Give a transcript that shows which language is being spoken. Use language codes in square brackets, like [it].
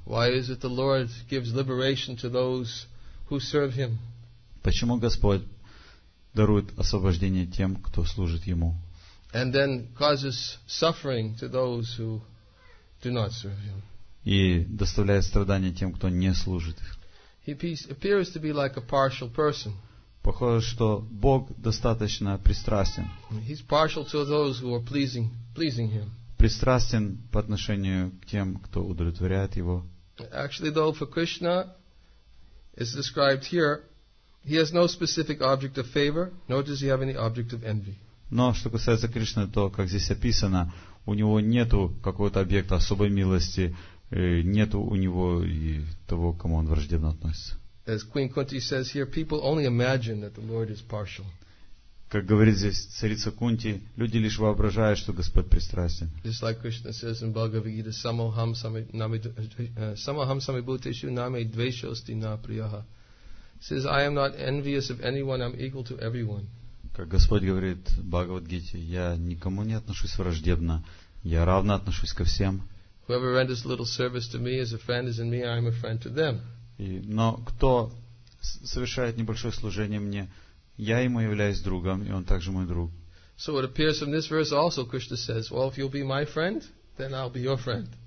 [en] Why is it the Lord gives liberation to those who serve Him? [ru] Почему Господь дарует освобождение тем, кто служит Ему? [en] And then causes suffering to those who do not serve Him. [ru] И доставляет страдания тем, кто не служит их. [en] He appears to be like a partial person. [ru] Похоже, что Бог достаточно пристрастен. [en] He's partial to those who are pleasing Him. [ru] Пристрастен по отношению к тем, кто удовлетворяет Его. [en] Actually, though, for Krishna, is described here, He has no specific object of favor, nor does He have any object of envy. [ru] Но что касается Кришны, то, как здесь описано, у Него нету какого-то объекта особой милости, нету у Него и того, к кому Он враждебно относится. [en] As Queen Kunti says here, people only imagine that the Lord is partial. [ru] Как говорит здесь царица Кунти, люди лишь воображают, что Господь пристрастен. [en] Just like Krishna says in Bhagavad Gita, [sa] Samoham Samibhuteshu Name Dveshosti Na Priyaha. [en] Says, I am not envious of anyone, I'm equal to everyone. [ru] Как Господь говорит в Бхагавад-гите, я никому не отношусь враждебно, я равно отношусь ко всем. [en] Whoever renders little service to me as a friend is in me, I am a friend to them. [ru] Но кто совершает небольшое служение мне, я ему являюсь другом, и он также мой друг. [en] So it appears from this verse also, Krishna says, well, if you'll be my friend, then I'll be your friend.